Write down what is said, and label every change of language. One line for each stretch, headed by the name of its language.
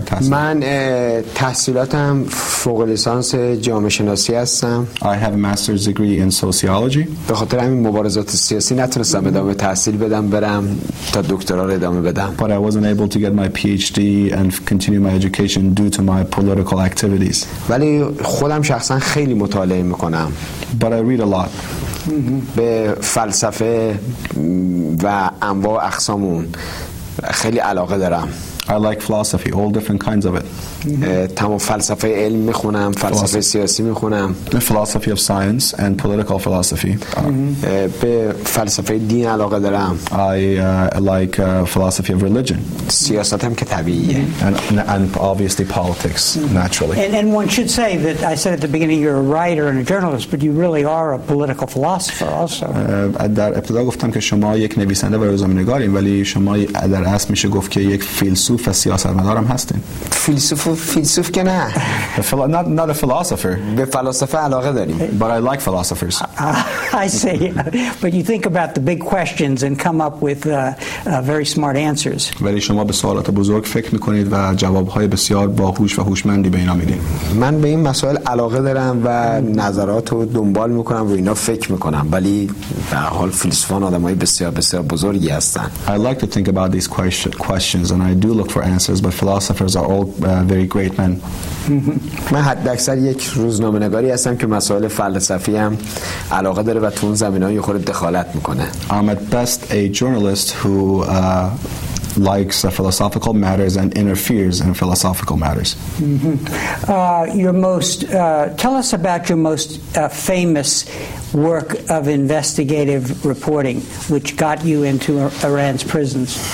Persian: من تحصیلاتم فوق لیسانس جامعه شناسی هستم.
English: I have a master's degree in sociology.
Persian: به خاطر همین مبارزات سیاسی نتونستم ادامه تحصیل بدم برم تا دکترا رو ادامه بدم.
English: But I wasn't able to get my PhD and continue my education due to my political activities.
Persian: ولی خودم شخصا خیلی مطالعه میکنم.
English: But I read a lot.
Persian: به فلسفه و انواع اقسام اون خیلی علاقه دارم.
English: I like philosophy, all different kinds of it.
Persian: تمام فلسفه علم میخونم، فلسفه سیاسی میخونم.
English: The philosophy of science and political philosophy.
Persian: به فلسفه دین علاقه دارم.
English: I like philosophy of religion.
Persian: سیاست هم که طبیعیه.
English: And obviously politics, naturally. And one should say that I said at the beginning you're a writer and a journalist, but you really are a political philosopher also.
Persian: در ابتدا گفتم که شما یک نویسنده و روزنامه‌نگارین، ولی شما در اصل میشه گفت که یک فیلسوف فیلسوف و سیاستمدار هم هستین. فیلسوف و فیلسوف که نه.
English: Not a philosopher.
Persian: به فلاسفه علاقه داریم.
English: But I like philosophers. I see. But you think about the big questions and come up with very smart answers.
Persian: ولی شما به سوالات بزرگ فکر میکنید و جوابهای بسیار باهوش و هوشمندی به اینا میدین. من به این مسائل علاقه دارم و نظرات رو دنبال میکنم و اینا فکر میکنم. ولی به هر حال فیلسوفان آدمای بسیار بسیار بزرگی هستن.
English: I like to think about these questions and I do look for answers, but philosophers are all very great men.
Persian: من حد اکثر یک روزنامه نگاری هستم که مسائل فلسفی هم علاقه داره و تو اون زمین های خود دخالت میکنه.
English: I'm at best a journalist who likes philosophical matters and interferes in philosophical matters. Tell us about your most famous work of investigative reporting, which got you into Iran's prisons.